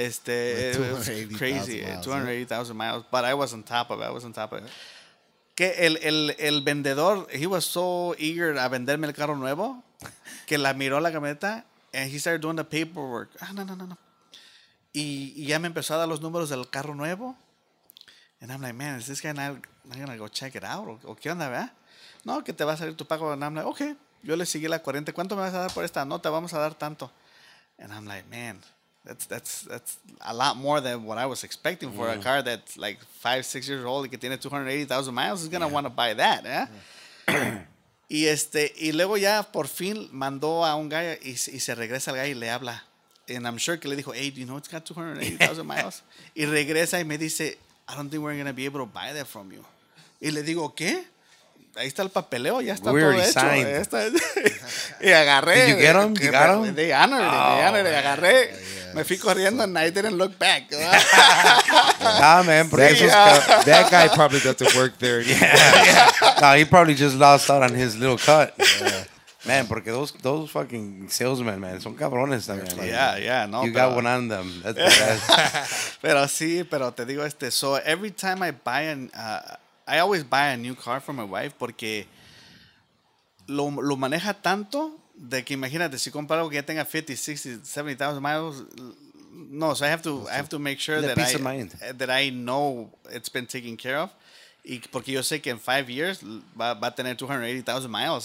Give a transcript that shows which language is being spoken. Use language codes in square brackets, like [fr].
[en] It was crazy. 280,000 miles. But I was on top of it. [es] Que el vendedor, [en] he was so eager [es] a venderme el carro nuevo que la miró la camioneta [en] and he started doing the paperwork. [es] No. Y ya me empezó a dar los números del carro nuevo. [en] And I'm like, man, is this guy not going to go check it out? [es] ¿O qué onda, verdad? No, que te va a salir tu pago. [en] And I'm like, okay. [es] Yo le seguí la 40. ¿Cuánto me vas a dar por esta nota? Vamos a dar tanto. [en] And I'm like, man, that's a lot more than what I was expecting for a car that's like 5-6 years old [es] y que tiene [en] 280,000 miles. He's going to want to buy that, ¿eh? Yeah. [es] Y luego ya por fin mandó a un guy y se regresa al guy y le habla. [en] And I'm sure [es] que le dijo, [en] hey, do you know it's got 280,000 miles? [es] Y regresa y me dice, [en] I don't think we're going to be able to buy that from you. [es] Y le digo, ¿qué? Ahí está el papeleo, ya está todo hecho. Y agarré. [en] Did you get them? You got them? They honored it. They honored it. Agarré. Yes. [es] Me fui corriendo [en] and I didn't look back. Nah, man. That guy probably got to work there. Yeah. Nah, he probably just lost out on his little cut. Man, porque those fucking salesmen, man, [es] son cabrones también. [en] Yeah, yeah. No, you got one on them. That's the best. [es] Pero sí, pero te digo [en] so every time I buy an... I always buy a new car for my wife [es] porque lo maneja tanto de que imagínate si compro algo que ya tenga 50, 60, 70,000 miles. [en] No, so I have to make sure that I know it's been taken care of. [es] Y porque yo sé que en 5 years va a tener 280,000 miles.